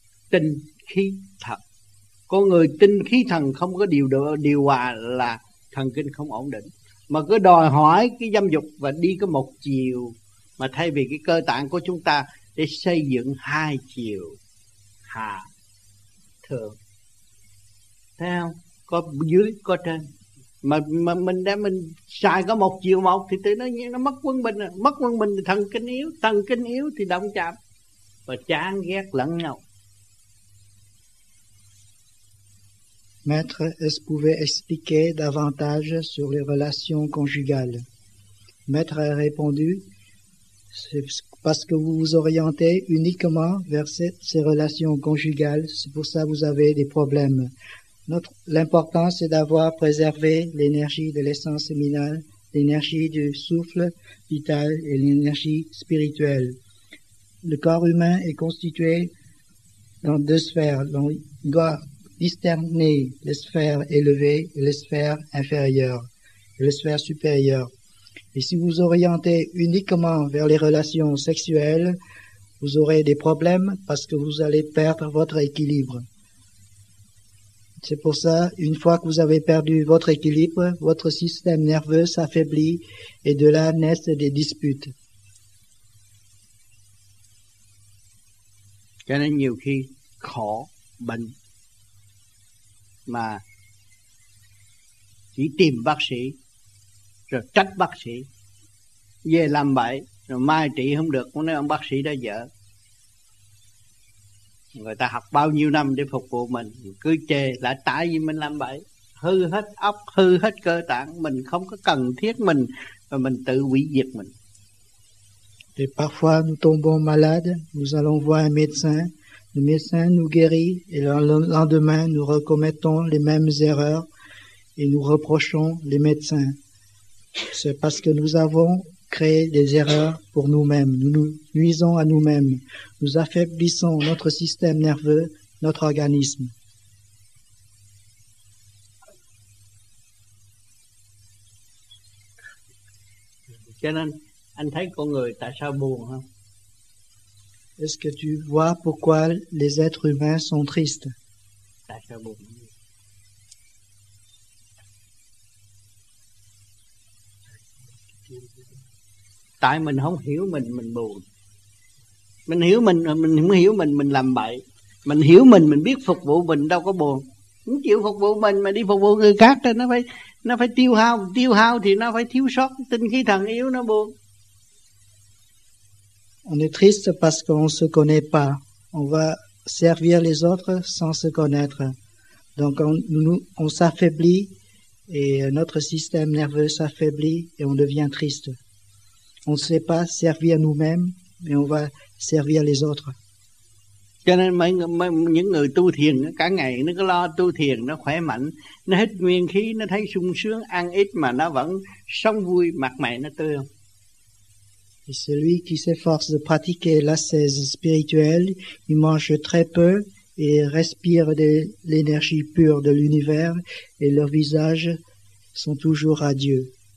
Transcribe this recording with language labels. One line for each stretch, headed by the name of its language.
Vietnamese: Tinh khí thần. Con người tinh khí thần không có điều hòa là thần kinh không ổn định, mà cứ đòi hỏi cái dâm dục và đi có một chiều, mà thay vì cái cơ tạng của chúng ta để xây dựng hai chiều hạ thượng. Thấy không? Có dưới có trên. Mà mình đem mình xài có một chiều một thì tự nhiên nó mất quân bình. Mất quân bình thì thần kinh yếu thì động chạm và chán ghét lẫn nhau.
French: Maître, est-ce pouvait expliquer davantage sur les relations conjugales? Maître a répondu, c'est parce que vous vous orientez uniquement vers ces relations conjugales, c'est pour ça que vous avez des problèmes. L'important, c'est d'avoir préservé l'énergie de l'essence séminale, l'énergie du souffle vital et l'énergie spirituelle. Le corps humain est constitué dans deux sphères. On doit discerner les sphères élevées et les sphères inférieures, et les sphères supérieures. Et si vous orientez uniquement vers les relations sexuelles, vous aurez des problèmes parce que vous allez perdre votre équilibre. C'est pour ça, une fois que vous avez perdu votre équilibre, votre système nerveux s'affaiblit et de là naissent des disputes.
Vietnamese: Cho nên nhiều khi khổ, bệnh mà chỉ tìm bác sĩ rồi trách bác sĩ về làm bậy rồi mai trị không được, cũng nói ông bác sĩ đã dở. Người ta học bao nhiêu năm để phục vụ mình, cứ chê là tại vì mình làm bậy, hư hết óc, hư hết cơ tạng, mình không có cần thiết mình và mình tự hủy diệt mình.
French: Et parfois nous tombons malades, nous allons voir un médecin, le médecin nous guérit et le lendemain nous recommettons les mêmes erreurs et nous reprochons les médecins. C'est parce que nous avons créé des erreurs pour nous-mêmes, nous nous nuisons à nous-mêmes, nous affaiblissons notre système nerveux, notre organisme.
Vietnamese: Anh thấy con người tại sao buồn không?
French: Est-ce que tu vois pourquoi les êtres humains sont tristes?
Vietnamese: Tại sao buồn? Tại mình không hiểu mình buồn. Mình hiểu mình không hiểu mình làm bậy. Mình hiểu mình biết phục vụ mình đâu có buồn. Không chịu phục vụ mình mà đi phục vụ người khác thì nó phải tiêu hao thì nó phải thiếu sót tinh khí thần yếu nó buồn.
French: On est triste parce qu'on ne se connaît pas. On va servir les autres sans se connaître. Donc on s'affaiblit et notre système nerveux s'affaiblit et on devient triste. On ne sait pas servir nous-mêmes, mais on va servir les autres.
Vietnamese: Cho nên những người tu thiền cả ngày nó cứ lo tu thiền, nó khỏe mạnh, nó hết nguyên khí, nó thấy sung sướng, ăn ít mà nó vẫn sống vui, mặt mày nó tươi không?
French: Et celui qui s'efforce de pratiquer l'ascèse spirituelle, il mange très peu et respire de l'énergie pure de l'univers et leurs visages sont toujours radieux.